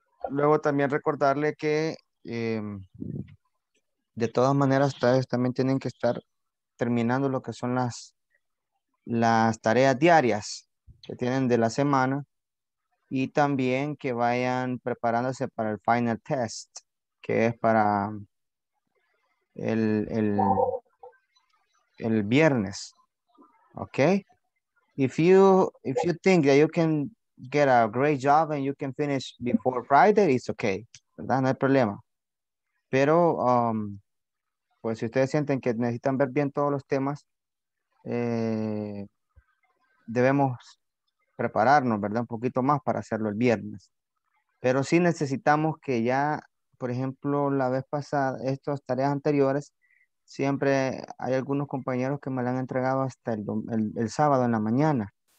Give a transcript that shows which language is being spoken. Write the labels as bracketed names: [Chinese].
[Spanish] Luego también recordarle que de todas maneras ustedes también tienen que estar terminando lo que son las tareas diarias que tienen de la semana y también que vayan preparándose para el final test, que es para el viernes. [English] Okay? If you think that you can get a great job and you can finish before Friday, it's okay, [Spanish] ¿verdad? No hay problema. Pero pues si ustedes sienten que necesitan ver bien todos los temas, debemos prepararnos, ¿verdad? Un poquito más para hacerlo el viernes. Pero sí necesitamos que ya, por ejemplo, la vez pasada, estas tareas anteriores, siempre hay algunos compañeros que me la han entregado hasta el sábado en la mañana.